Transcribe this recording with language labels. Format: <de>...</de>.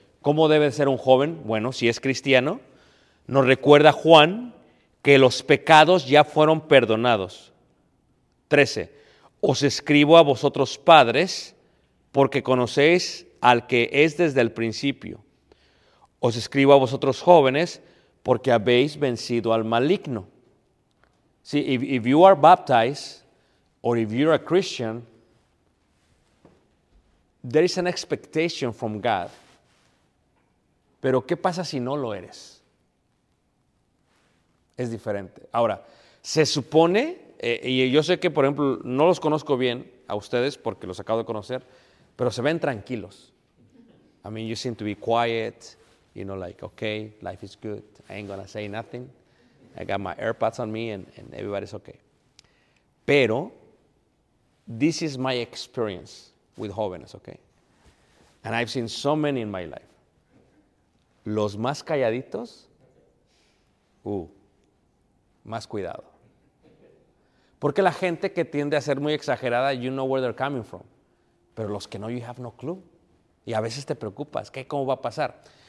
<es>¿Cómo debe ser un joven? Bueno, si es cristiano, nos recuerda Juan que los pecados ya fueron perdonados. 13. Os escribo a vosotros padres, porque conocéis al que es desde el principio. Os escribo a vosotros jóvenes, porque habéis vencido al maligno.</es> <en>See, if you are baptized, or if you're a Christian, there is an expectation from God.</en> <es>Pero ¿qué pasa si no lo eres? Es diferente. Ahora, se supone, y yo sé que, por ejemplo, no los conozco bien a ustedes porque los acabo de conocer, pero se ven tranquilos.</es> <en>I mean, you seem to be quiet, you know, like, okay, life is good, I ain't gonna say nothing. I got my AirPods on me and everybody's okay. Pero, this is my experience with jóvenes, okay? And I've seen so many in my life.</en> <es>Los más calladitos, más cuidado. Porque la gente que tiende a ser muy exagerada,</es> <en>you know where they're coming from.</en> <es>Pero los que no,</es> <en>you have no clue.</en> <es>Y a veces te preocupas, ¿qué? ¿Cómo va a pasar?</es>